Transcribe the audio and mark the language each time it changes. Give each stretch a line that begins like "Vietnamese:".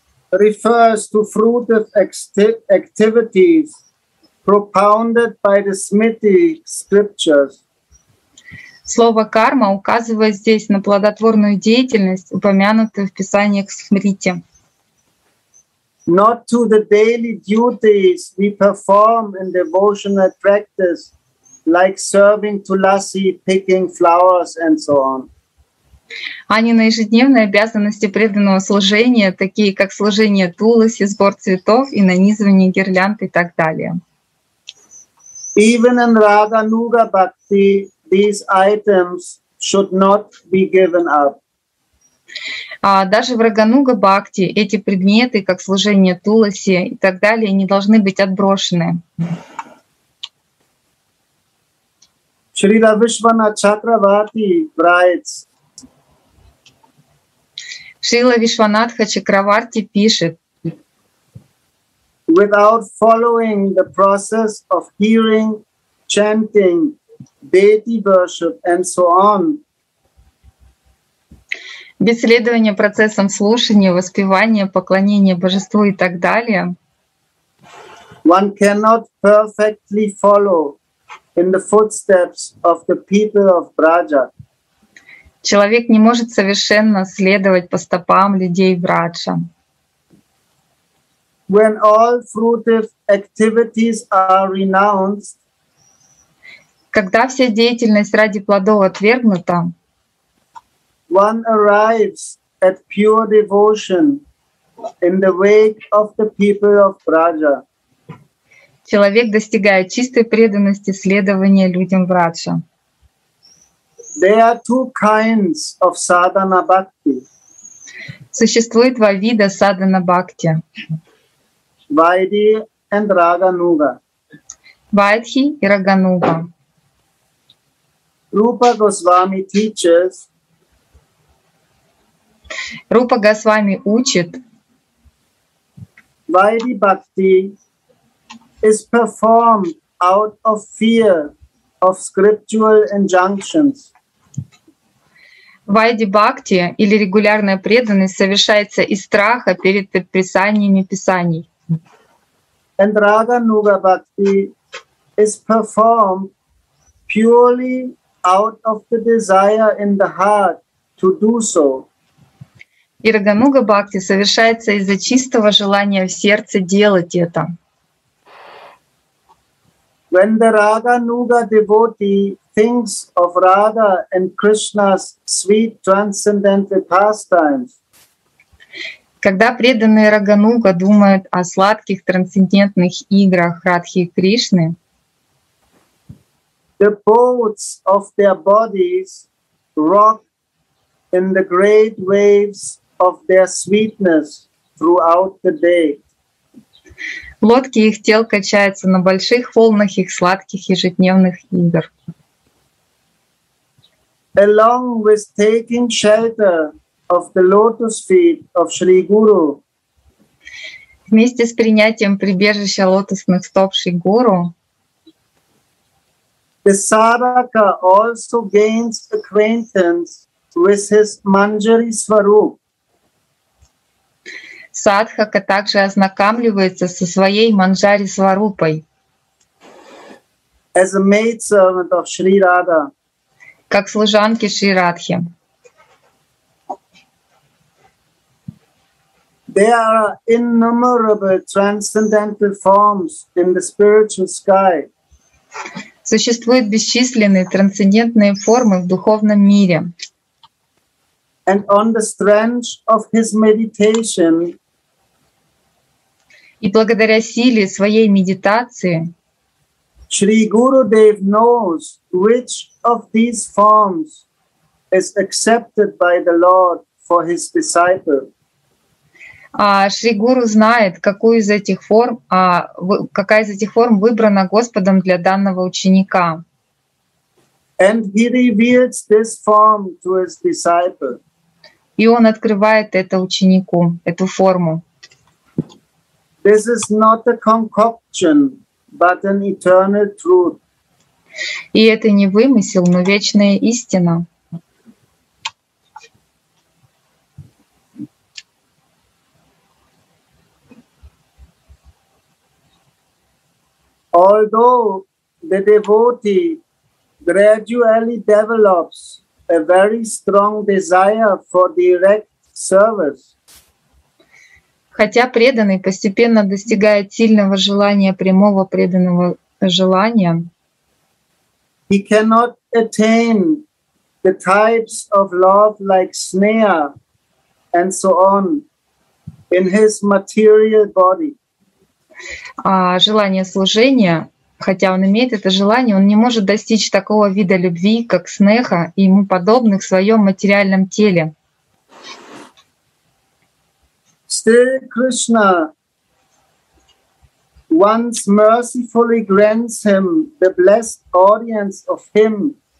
English: refers to fruitive activities propounded by the Smriti scriptures.
Russian: Слово карма указывает здесь на плодотворную деятельность, упомянутую в писаниях Смрити.
English: Not to the daily duties we perform in devotional practice, like serving tulasi, picking flowers, and so on.
Russian: А не на ежедневные обязанности преданного служения, такие как служение туласи, сбор цветов и нанизывание гирлянд и так далее.
English: Even in Radha Nuga Bhakti, these items should not be given up.
Russian: Даже в Рагануга Бхакти эти предметы, как служение туласи и так далее, не должны быть отброшены.
English: Шрила Вишвана Чакравати writes.
Russian: Шрила Вишванатха Чакраварти пишет.
English: Without following the process of hearing, chanting, deity worship and so on.
Russian: Без следования процессам слушания, воспевания, поклонения божеству и так далее.
English: One cannot perfectly follow in the footsteps of the people of Braja.
Russian: Человек не может совершенно следовать по стопам людей Браджа.
English: When all fruitive activities are renounced,
Russian: когда вся деятельность ради плодов отвергнута,
English: one arrives at pure devotion in the wake of the people of Braja.
Russian: Человек достигает чистой преданности следования людям Браджа.
English: There are two kinds of sadhana bhakti.
Russian: Существует два вида sadhana bhakti.
English: Vaidhi and Raganuga.
Russian: Vaidhi и Raganuga.
English: Rupa Goswami teaches.
Russian: Рупа Госвами учит.
English: Vaidhi bhakti is performed out of fear of scriptural injunctions.
Russian: Vaidhi bhakti или регулярная преданность совершается из страха перед предписаниями писаний.
English: And Raganuga bhakti is performed purely out of the desire in the heart to do so.
Russian: И Рагануга Бхакти совершается из-за чистого желания в сердце делать это.
English: When the Raganuga devotee thinks of Radha and Krishna's sweet transcendental pastimes,
Russian: когда преданные Рагануга думают о сладких трансцендентных играх Радхи и Кришны,
English: the boats of their bodies rock in the great waves of their sweetness throughout the day.
Russian: Лодки их тел качаются на больших волнах их сладких ежедневных игр.
English: Along with taking shelter of the lotus feet of Shri Guru.
Russian: Вместе с принятием прибежища лотосных стоп Шри Гуру.
English: The Saraka also gains acquaintance with his Manjari Swarup.
Russian: Садхака также ознакомливается со своей Манджари Сварупой.
English: As a maid servant of Shri Radha.
Russian: Как служанки Шри Радхи.
English: There are innumerable transcendental forms in the spiritual sky.
Russian: Существуют бесчисленные трансцендентные формы в духовном мире.
English: And on the strength of his meditation,
Russian: и благодаря силе своей медитации,
English: Shri Guru Dev knows which of these forms is accepted by the Lord for his disciple.
Russian: А Шри Гуру знает, какую из этих форм, какая из этих форм выбрана Господом для данного ученика.
English: And he reveals this form to his disciple.
Russian: И он открывает это ученику, эту форму.
English: This is not a concoction, but an eternal truth.
Russian: И это не вымысел, но вечная истина.
English: although the devotee gradually develops a very strong desire for direct service.
Russian: Хотя преданный постепенно достигает сильного желания прямого преданного желания,
English: he cannot attain the types of love like sneha and so on in his material body.
Russian: Желание служения, хотя он имеет это желание, он не может достичь такого вида любви, как снеха и ему подобных в своем материальном теле.
English: Still Krishna once mercifully grants him the blessed audience of him.